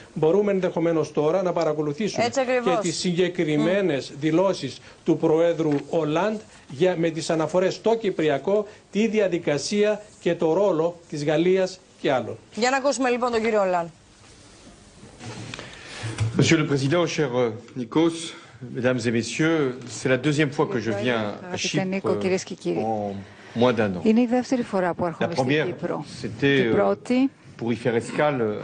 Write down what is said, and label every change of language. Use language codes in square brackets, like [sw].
[el] Μπορούμε ενδεχομένως τώρα να παρακολουθήσουμε και τις συγκεκριμένες δηλώσεις του Προέδρου Ολάντ με τις αναφορές στο Κυπριακό, τη διαδικασία και το ρόλο της Γαλλίας και άλλων. Για να ακούσουμε λοιπόν τον κύριο Ολάντ. [fr] Monsieur le Président, cher Nikos, Mesdames et Messieurs, c'est la deuxième fois que je viens à Chypre en moins d'un an. [el] Είναι η δεύτερη φορά που έρχομαι στην Κύπρο. [fr] La première, c'était pour y faire escale